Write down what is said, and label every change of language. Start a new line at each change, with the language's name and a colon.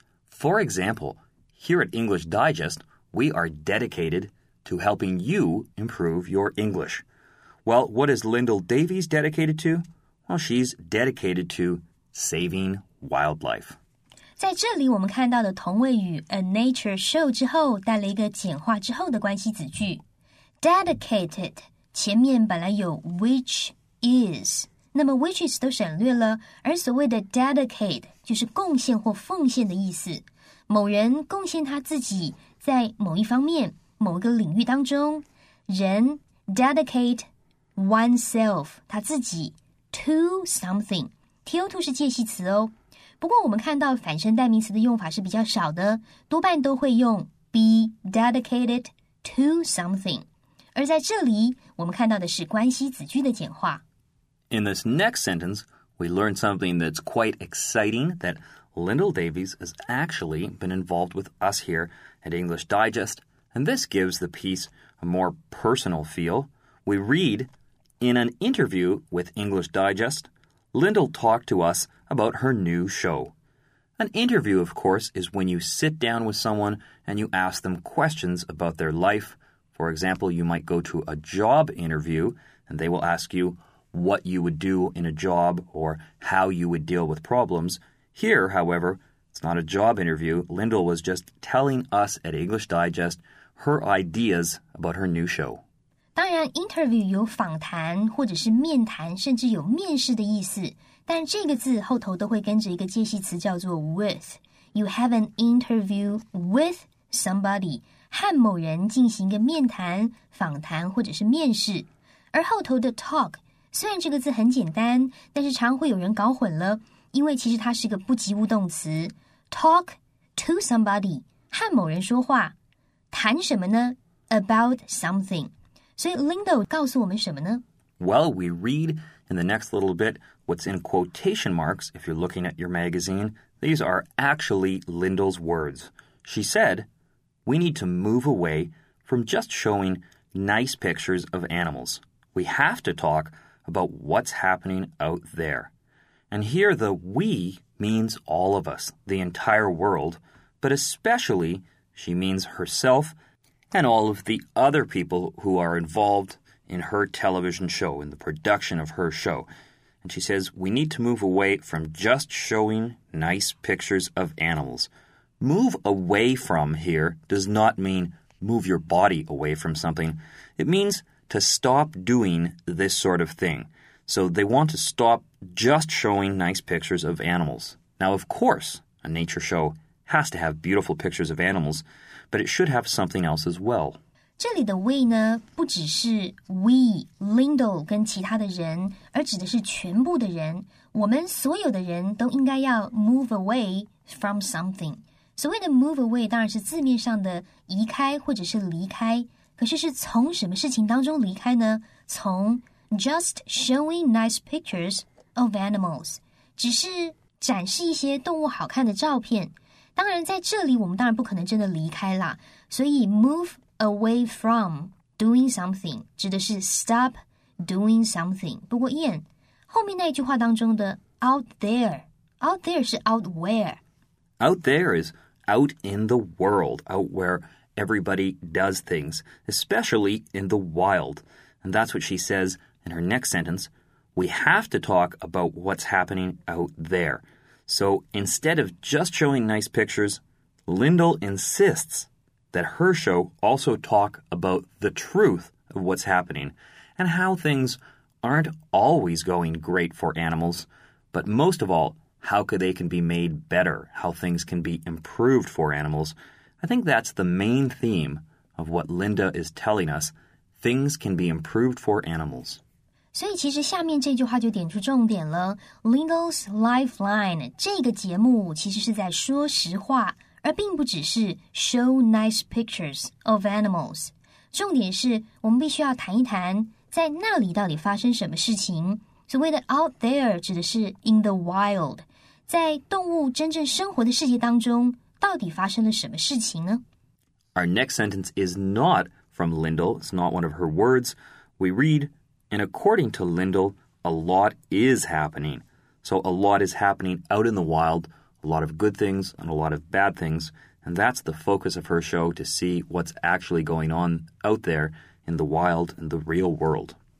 English: For example, here at English Digest, we are dedicated. To helping you improve your English. Well, what is Lyndall Davies dedicated to? Well, she's dedicated to saving wildlife.
Chinese: 在这里我们看到的同位语 a nature show 之后带了一个简化之后的关系子句 Dedicated 前面本来有 which is 那么 which is 都省略了而所谓的 dedicate 就是贡献或奉献的意思某人贡献他自己在某一方面某个领域当中人 dedicate oneself 他自己 to something TO2 是介系词哦不过我们看到反身代名词的用法是比较少的多半都会用 be dedicated to something 而在这里我们看到的是关系子句的简化
English: In this next sentence we learn something that's quite exciting that Lyndall Davies has actually been involved with us here at English DigestAnd this gives the piece a more personal feel. We read, in an interview with English Digest, Lyndall talked to us about her new show. An interview, of course, is when you sit down with someone and you ask them questions about their life. For example, you might go to a job interview and they will ask you what you would do in a job or how you would deal with problems. Here, however, it's not a job interview. Lyndall was just telling us at English Digest,her ideas about her new show.
Chinese: 当然 interview 有访谈或者是面谈甚至有面试的意思但这个字后头都会跟着一个介系词叫做 with.
English: You have an interview with somebody.
Chinese: 和某人进行一个面谈访谈或者是面试。而后头的 talk, 虽然这个字很简单但是常会有人搞混了因为其实它是个不及物动词。 Talk to somebody, 和某人说话。谈什么呢? About something. 所以 Lindo 告诉我们什么呢?
English: Well, we read in the next little bit what's in quotation marks if you're looking at your magazine. These are actually Lindo's words. She said, we need to move away from just showing nice pictures of animals. We have to talk about what's happening out there. And here the we means all of us, the entire world, but especially... She means herself and all of the other people who are involved in her television show, in the production of her show. And she says, we need to move away from just showing nice pictures of animals. Move away from here does not mean move your body away from something. It means to stop doing this sort of thing. So they want to stop just showing nice pictures of animals. Now, of course, a nature show... has to have beautiful pictures of animals, but it should have something else as well.
Chinese: 这里的 we 呢不只是 we, Lyndall 跟其他的人而指的是全部的人。我们所有的人都应该要 move away from something. 所谓的 move away 当然是字面上的移开或者是离开。可是是从什么事情当中离开呢从 just showing nice pictures of animals. 只是展示一些动物好看的照片。当然在这里我们当然不可能真的离开啦所以 move away from doing something 指的是 stop doing something。不过 Ian 后面那句话当中的 out there 是 out where。
English: Out there is out in the world, out where everybody does things, especially in the wild. And that's what she says in her next sentence. We have to talk about what's happening out there. So instead of just showing nice pictures, Lindell insists that her show also talk about the truth of what's happening and how things aren't always going great for animals, but most of all,how could they can be made better, how things can be improved for animals. I think that's the main theme of what Linda is telling us. Things can be improved for animals.
Chinese: 所以其实下面这句话就点出重点了。Lindell's Lifeline 这个节目其实是在说实话，而并不只是 show nice pictures of animals. 重点是我们必须要谈一谈在那里到底发生什么事情。所谓的 out there 指的是 in the wild，在动物真正生活的世界当中，到底发生了什么事情呢？
English: Our next sentence is not from Lindell. It's not one of her words. We read, and according to Lindell, a lot is happening. So a lot is happening out in the wild, a lot of good things and a lot of bad things. And that's the focus of her show, to see what's actually going on out there in the wild, in the real world.